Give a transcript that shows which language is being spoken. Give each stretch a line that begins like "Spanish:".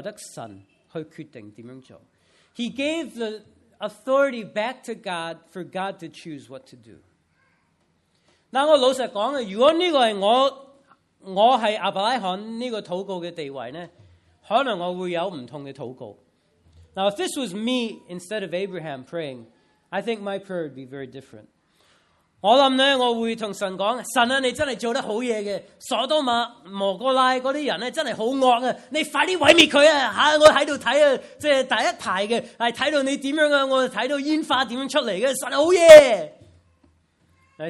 Cantonese: 亚伯拉罕呢就是顺服，佢将个主权交翻俾神。虽然佢求，但佢由得神去决定点样做。He
English: gave the authority back to God for God to choose what to do.
Cantonese: 那我老实讲，如果呢个系我，我系亚伯拉罕呢个祷告嘅地位呢，可能我会有唔同嘅祷告。Now,
English: if this was me instead of Abraham praying, I think my prayer would be very different.
Cantonese: 我谂咧，我会同神讲：神啊，你真系做得好嘢嘅！所多玛、摩哥拉嗰啲人咧，真系好恶啊！你快啲毁灭佢啊！吓，我喺度睇啊，即系第一排嘅，系睇到你点样啊！我睇到烟花点样出嚟嘅，神好嘢！I